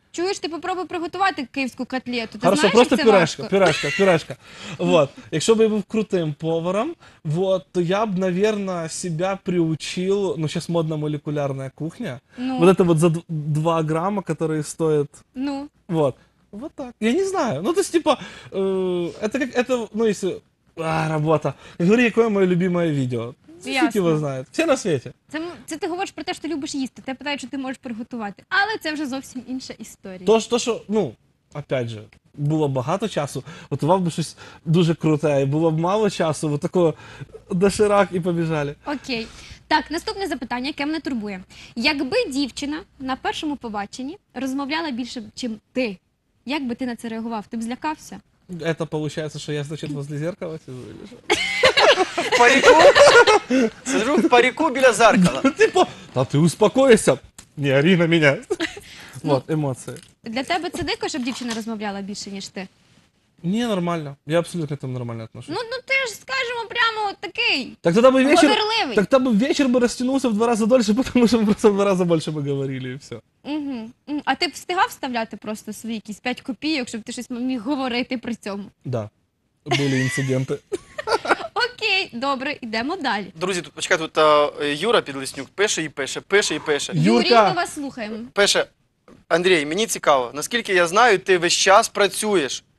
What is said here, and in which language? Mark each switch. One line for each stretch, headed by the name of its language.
Ukrainian: Чуєш, ти попробуй приготувати київську котлету. Ти
Russian: хорошо, просто пюрешка, пюрешка, пюрешка. Вот.
Ukrainian: Якщо б я був крутим поваром, вот, то я б, мабуть, себе приучив, ну, зараз модна молекулярна кухня, ну. Вот це вот за 2 грама, які стоять... Ну.
Russian: Вот. Вот так. Я не знаю. Ну, то есть, типа, это как, это, ну, если... А, работа. Говори, какое моё любимое видео.
Ukrainian: Всі тебе знають. Всі на світі. Це ти говориш про те, що ти любиш їсти. Тебе питають, що ти можеш приготувати. Але це вже зовсім інша історія. Тож, то, що, ну, опять же, було багато часу, готував би щось дуже круте, і було б мало часу, от такого доширак і побіжали. Окей. Так, наступне запитання, яке мене турбує. Якби дівчина на першому побаченні розмовляла більше, ніж ти, як би ти на це реагував? Ти б злякався?
Russian: Это получается, что я, значит, возле зеркала сижу или что? Парику?
Ukrainian: Сижу в парику біля зеркала.
Russian: Типа, да ты успокойся, не ори на меня. Вот, эмоции.
Ukrainian: Для тебя це дико, щоб дівчина розмовляла більше, ніж ти? Ні, нормально.
Russian: Я абсолютно к этому нормально отношусь.
Ukrainian: Ну ти ж, скажімо, прямо такий.
Russian: Так тогда бы вечер. Говорливий. Так тогда бы вечер бы растянулся в 2 раза дольше, потому что мы просто в 2 раза больше бы говорили и все. Угу.
Ukrainian: А ти б встигав вставляти просто свої якісь 5 копійок, щоб ти щось міг говорити при цьому? Да. Були інциденти. Окей, добре, йдемо далі. Друзі, тут почекайте, тут Юра Підлеснюк пише і пише, пише і пише. Юрій, ми вас слухаємо. Пише: "Андрій, мені цікаво. Наскільки я знаю, ти весь час працюєш.